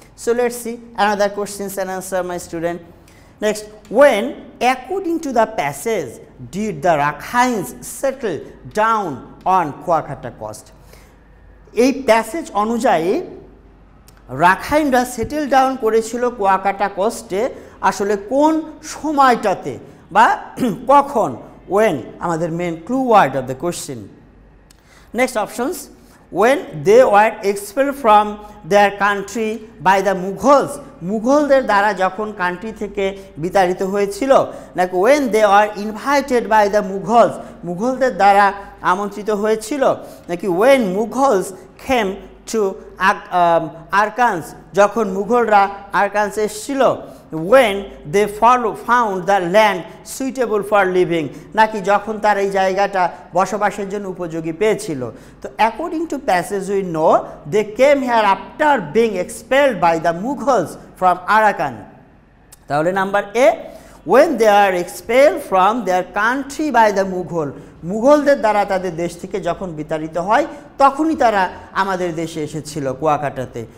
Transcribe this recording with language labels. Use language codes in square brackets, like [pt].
[en] So let's see another questions and answer my student. Next, when according to the passage did the Rakhains settle down on Kuakata coast? [bn] এই passage অনুযায়ী রাখাইনরা settle down করেছিল কুয়াকাটা কোস্টে, আসলে কোন সময়টাতে বা কখন? [en] when [bn] আমাদের [en] Main clue word of the question. Next options, When they were expelled from their country by the Mughals, [bn] মুঘলদের দ্বারা যখন কান্ট্রি থেকে বিতাড়িত হয়েছিল, [en] নাকি when they were invited by the Mughals, [bn] মুঘলদের দ্বারা আমন্ত্রিত হয়েছিল, নাকি [en] when Mughals came to [bn] Arkans, যখন মুঘলরা আরকানস এসেছিল, [en] when they found the land suitable for living, [bn] নাকি যখন তার এই জায়গাটা বসবাসের জন্য উপযোগী পেয়েছিল। [en] তো according to passage we know they came here after being expelled by the Mughals from Arakan. [bn] তাহলে [en] number A, when they are expel from their country by the Mughal, [bn] মুঘলদের দ্বারা তাদের দেশ থেকে যখন বিতাড়িত হয় তখনই তারা আমাদের দেশে এসেছিল কুয়াকাটাতে।